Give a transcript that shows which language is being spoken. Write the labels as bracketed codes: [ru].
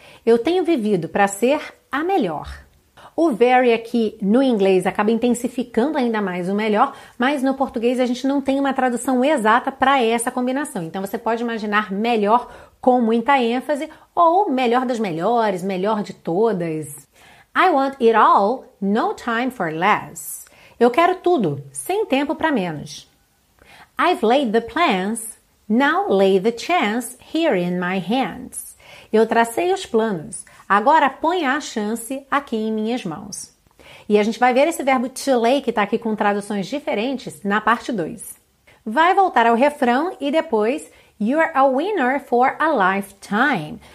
[pt] Eu tenho vivido para ser a melhor. O very aqui no inglês acaba intensificando ainda mais o melhor, mas no português a gente não tem uma tradução exata para essa combinação. Então você pode imaginar melhor com muita ênfase ou melhor das melhores, melhor de todas. [en] I want it all, no time for less. [pt] Eu quero tudo, sem tempo para menos. [en] I've laid the plans, now lay the chance here in my hands. [pt] Eu tracei os planos, agora põe a chance aqui em minhas mãos. E a gente vai ver esse verbo to lay, que está aqui com traduções diferentes, na parte 2. Vai voltar ao refrão e depois, [en] you're a winner for a lifetime.